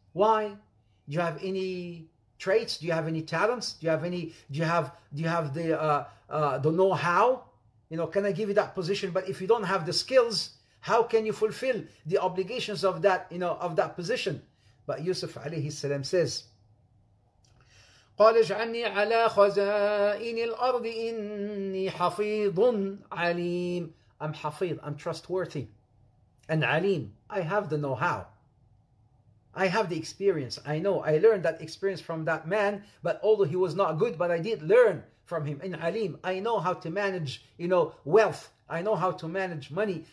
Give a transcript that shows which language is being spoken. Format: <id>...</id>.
<en>Why? Do you have any traits? Do you have any talents? Do you have any? Do you have the know-how? You know, can I give you that position? But if you don't have the skills, how can you fulfill the obligations of that, you know, of that position? But Yusuf alayhi salam says,</en> <ar>قال اجعلني على خزائن الأرض إني حفيظ عليم.</ar> <en>I'm حفيظ, I'm trustworthy and عليم. I have the know-how. I have the experience. I know. I learned that experience from that man, but although he was not good, but I did learn from him. In عليم, I know how to manage, you know, wealth. I know how to manage money.</en>